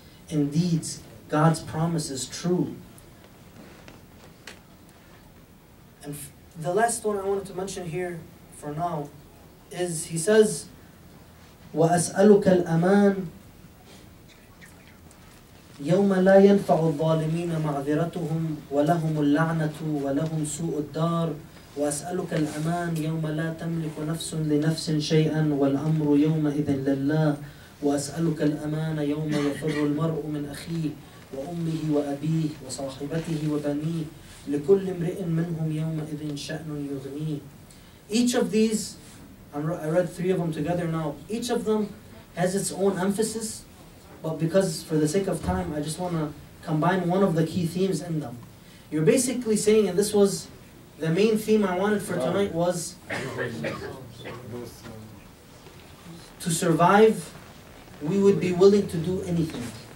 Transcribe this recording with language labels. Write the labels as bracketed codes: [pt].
[en] Indeed, God's promise is true. And the last one I wanted to mention here for now is, he says, [ar] وَأَسْأَلُكَ الْأَمَانِ يَوْمَ لَا يَنْفَعُ الظَّالِمِينَ مَعْذِرَتُهُمْ وَلَهُمُ اللَّعْنَةُ وَلَهُمْ سُوءُ الدَّارِ وأسألك الأمان يوم لا تملك نفس لنفس شيئا والأمر يومئذ لله وأسألك الأمان يوم يفر المرء من أخيه وأمه وأبيه وصاحبته وبنيه لكل امرئ منهم يومئذ شأن يغنيه. [en] Each of these, I read three of them together now, each of them has its own emphasis, but because for the sake of time I just want to combine one of the key themes in them. You're basically saying, and this was the main theme I wanted for tonight, was to survive, we would be willing to do anything.